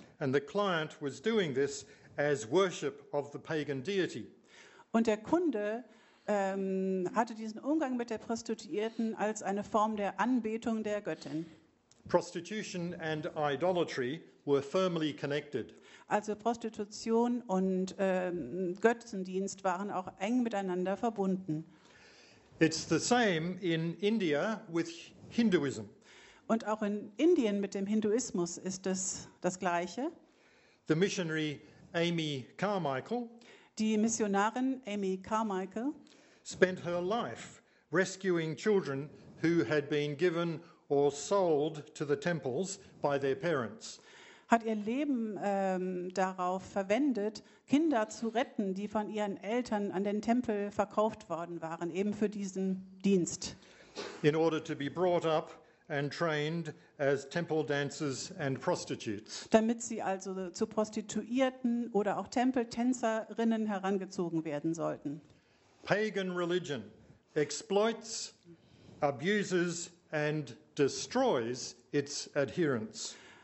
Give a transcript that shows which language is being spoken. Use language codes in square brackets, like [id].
[en] And the client was doing this as worship of the pagan deity. [de] Und der Kunde hatte diesen Umgang mit der Prostituierten als eine Form der Anbetung der Göttin. [en] Prostitution and idolatry were firmly connected. [de] Also Prostitution und Götzendienst waren auch eng miteinander verbunden. [en] It's the same in India with Hinduism. [de] Und auch in Indien mit dem Hinduismus ist es das Gleiche. [en] The missionary Amy Carmichael, [de] die Missionarin Amy Carmichael, [en] spent her life rescuing children who had been given or sold to the temples by their parents. [de] Hat ihr Leben darauf verwendet, Kinder zu retten, die von ihren Eltern an den Tempel verkauft worden waren, eben für diesen Dienst. [en] In order to be brought up and trained as temple dancers and prostitutes. [de] Damit sie also zu Prostituierten oder auch Tempeltänzerinnen herangezogen werden sollten. [en] Pagan religion exploits, abuses and destroys its adherents.